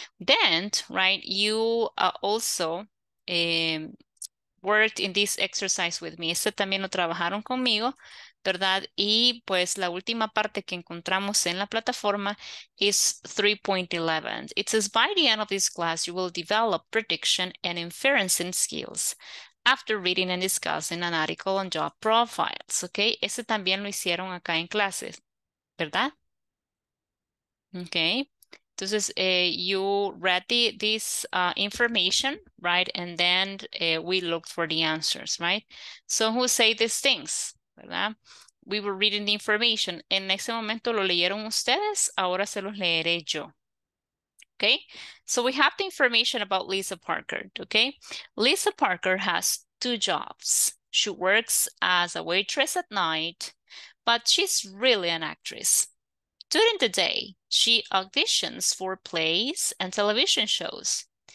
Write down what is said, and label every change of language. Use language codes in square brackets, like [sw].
[en] Then, right, you also worked in this exercise with me. [es] Este también lo trabajaron conmigo, ¿verdad? Y pues la última parte que encontramos en la plataforma is 3.11. [en] It says, by the end of this class, you will develop prediction and inferencing skills after reading and discussing an article on job profiles, ¿ok? [es] Ese también lo hicieron acá en clases, ¿verdad? [en] ¿Ok? Entonces, you read this information, right? And then we looked for the answers, right? So who say these things, ¿verdad? We were reading the information. [es] En ese momento lo leyeron ustedes, ahora se los leeré yo. [en] Okay, so we have the information about Lisa Parker, okay? Lisa Parker has two jobs. She works as a waitress at night, but she's really an actress. During the day, she auditions for plays and television shows.